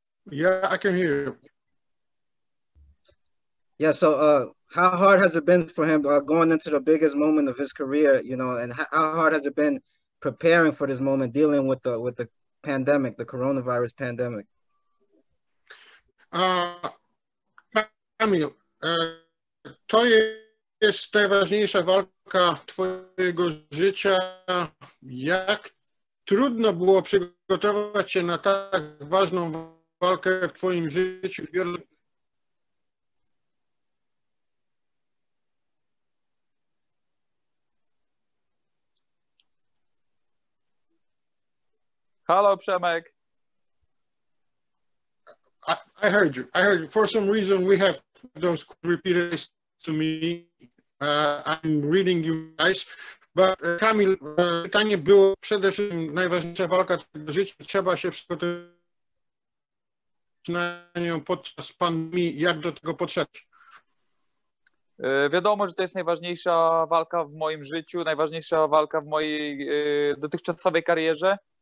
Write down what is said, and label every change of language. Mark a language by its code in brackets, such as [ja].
[en] Yeah, I can hear you. Yeah, so how hard has it been for him going into the biggest moment of his career, you know, and how hard has it been preparing for this moment, dealing with the pandemic, the coronavirus pandemic? [pl] Kamil, to jest najważniejsza walka twojego życia. Jak trudno było przygotować się na tak ważną walkę w twoim życiu? [en] Hello, Przemek. I heard you. For some reason, we have those repeaters to me. I'm reading you guys. But [pl] Kamil, pytanie było przede wszystkim najważniejsza walka w życiu. Trzeba się przygotować na nią podczas pandemii. Jak do tego podszedł? Wiadomo, że to jest najważniejsza walka w moim życiu, najważniejsza walka w mojej dotychczasowej karierze.